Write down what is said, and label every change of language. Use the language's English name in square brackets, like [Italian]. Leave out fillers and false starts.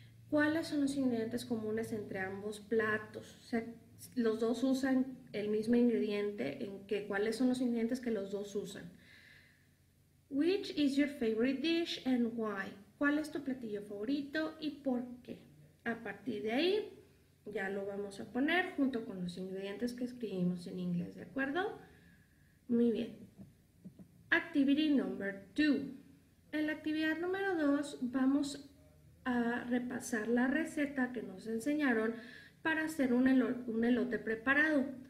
[Spanish] ¿Cuáles son los ingredientes comunes entre ambos platos? O sea, los dos usan el mismo ingrediente, ¿cuáles son los ingredientes que los dos usan? [English] Which is your favorite dish and why? [Spanish] ¿Cuál es tu platillo favorito y por qué? A partir de ahí, ya lo vamos a poner junto con los ingredientes que escribimos en inglés, ¿de acuerdo? Muy bien. [English] Activity number 2. [Spanish] En la actividad número 2 vamos a repasar la receta que nos enseñaron para hacer un elote preparado.